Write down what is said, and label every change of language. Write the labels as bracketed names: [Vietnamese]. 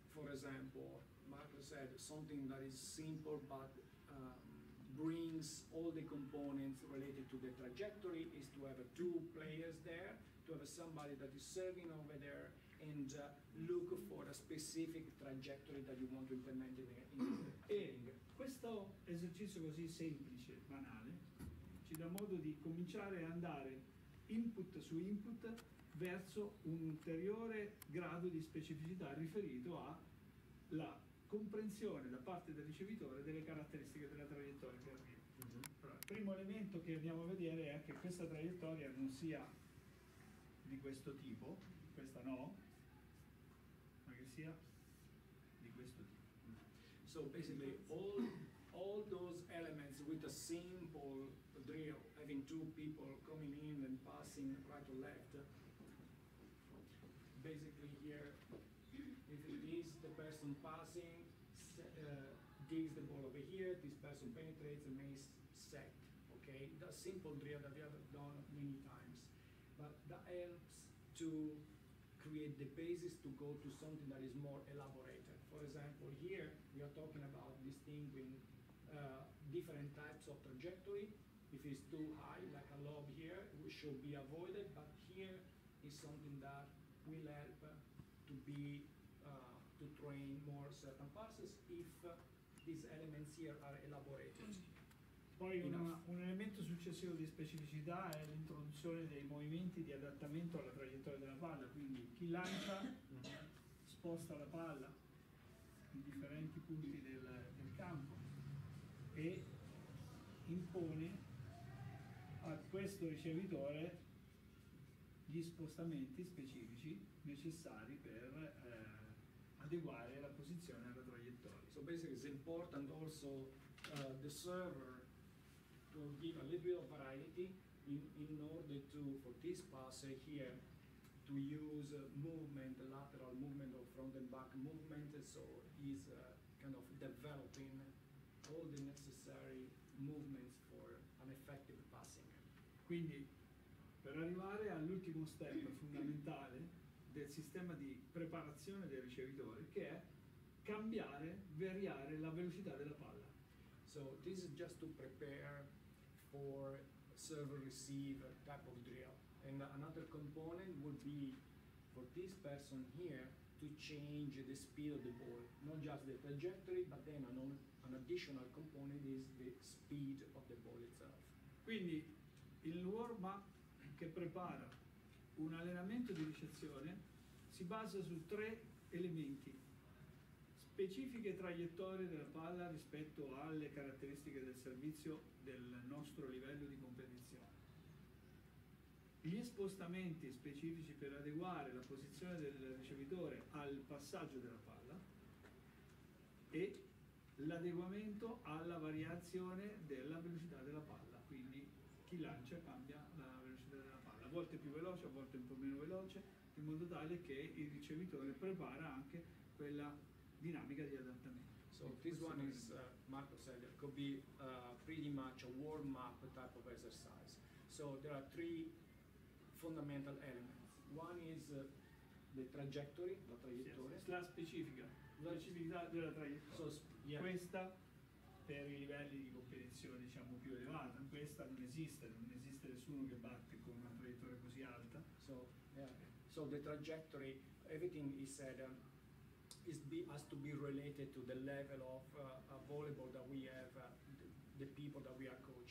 [English] For example, Marco said something that is simple but brings all the components related to the trajectory is to have two players there, to have somebody that is serving over there, and look for a specific trajectory that you want to implement in the training. [Italian] Questo esercizio così semplice, banale, ci dà modo di cominciare a andare input su input verso un ulteriore grado di specificità riferito alla comprensione da parte del ricevitore delle caratteristiche della traiettoria che arriva. Mm-hmm. Primo elemento che andiamo a vedere è che questa traiettoria non sia di questo tipo, questa no, ma che sia di questo tipo. [English] So basically all those elements with a simple drill, having two people coming in and passing right or left, basically here, if it is the person passing, digs the ball over here, this person penetrates and makes set, okay? The simple drill that we have done many times. But that helps to create the basis to go to something that is more elaborated. For example, here we are talking about distinguishing different types of trajectory. If it's too high, like a lob here, which should be avoided, but here is something that will help to be to train more certain passes if these elements here are elaborated. [Italian] Poi un elemento successivo di specificità è l'introduzione dei movimenti di adattamento alla traiettoria della palla, quindi chi lancia sposta la palla in differenti punti del campo e impone a questo ricevitore gli spostamenti specifici necessari per adeguare la posizione alla traiettoria. [English] So basically it's important also the server to give a little bit of variety in order to, for this pass here, to use movement, lateral movement or front and back movement, so he's kind of developing all the necessary movements for an effective passing. [Italian] Quindi, per arrivare all'ultimo step fondamentale del sistema di preparazione dei ricevitori, che è cambiare, variare la velocità della palla. [English] So this is just to prepare for server-receive type of drill. And another component would be for this person here to change the speed of the ball, not just the trajectory, but then an additional component is the speed of the ball itself. [Italian] Quindi il warm-up che prepara un allenamento di ricezione si basa su tre elementi: specifiche traiettorie della palla rispetto alle caratteristiche del servizio del nostro livello di competizione, gli spostamenti specifici per adeguare la posizione del ricevitore al passaggio della palla e l'adeguamento alla variazione della velocità della palla, quindi chi lancia cambia la velocità della palla, a volte più veloce, a volte un po' meno veloce, in modo tale che il ricevitore prepara anche quella dinamica di adattamento. [English] So this one is, Marco said, it could be pretty much a warm-up type of exercise. So there are three fundamental elements. One is the trajectory, [Italian] la traiettoria. Yes, la specifica, la specificità della traiettoria. So questa per i livelli di competizione diciamo più elevata, questa non esiste nessuno che batte con una traiettoria così alta. [English] So, so the trajectory, everything he said, has to be related to the level of volleyball that we have, the people that we are coaching.